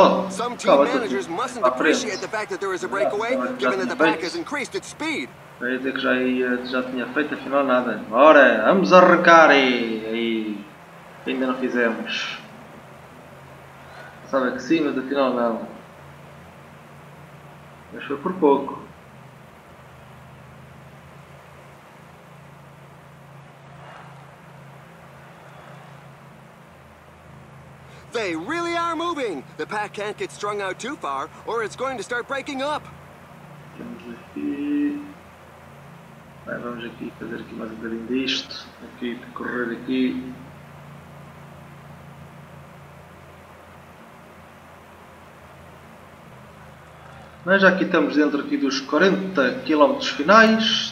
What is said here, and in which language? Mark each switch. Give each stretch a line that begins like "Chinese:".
English: Some team managers mustn't appreciate the fact that there is a breakaway, given that the pack has increased its speed.
Portuguese: Eu ia dizer que já tinha feito, afinal nada. Ora, vamos arrancar e ainda não fizemos. Sabe que sim, mas afinal não. Mas foi por pouco.
English: They really are moving! The pack can't get strung out too far, or it's going to start breaking up!
Portuguese: Temos aqui... Bem, vamos aqui fazer aqui mais um bocadinho disto. Aqui, percorrer aqui. Mas já aqui estamos dentro aqui dos 40 km finais.